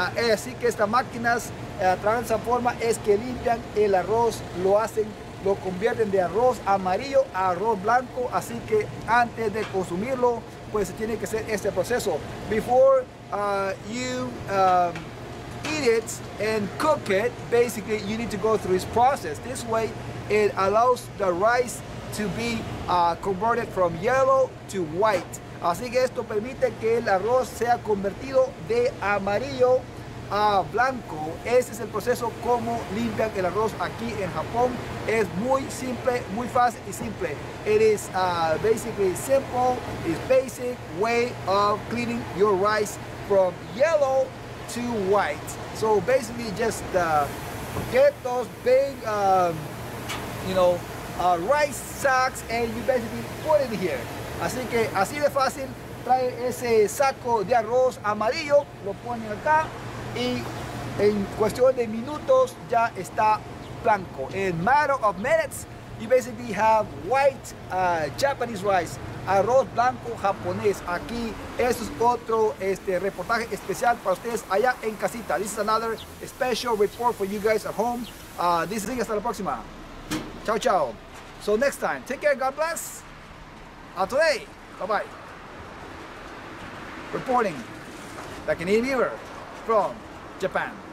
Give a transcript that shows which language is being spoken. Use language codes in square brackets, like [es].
[es] Así que estas máquinas trabajan de esa forma, es que limpian el arroz, lo convierten de arroz amarillo a arroz blanco. Así que antes de consumirlo, pues tiene que ser este proceso. [en] Before you eat it and cook it, basically you need to go through this process. This way it allows the rice to be converted from yellow to white. [es] Así que esto permite que el arroz sea convertido de amarillo a blanco. Ese es el proceso como limpian el arroz aquí en Japón. Es muy simple, muy fácil y simple. [en] It is basically simple, it's basic way of cleaning your rice from yellow to white. So basically just get those big rice sacks and you basically put it here. [es] Así que así de fácil, trae ese saco de arroz amarillo, lo pone acá y en cuestión de minutos ya está blanco. [en] In matter of minutes, you basically have white Japanese rice, [es] arroz blanco japonés. Aquí, eso es otro reportaje especial para ustedes allá en casita. [en] This is another special report for you guys at home. This is it, [es] hasta la próxima. Chao, chao. [en] So next time, take care, God bless. Hasta today, bye bye. Reporting, the Canadian Beaver from Japan.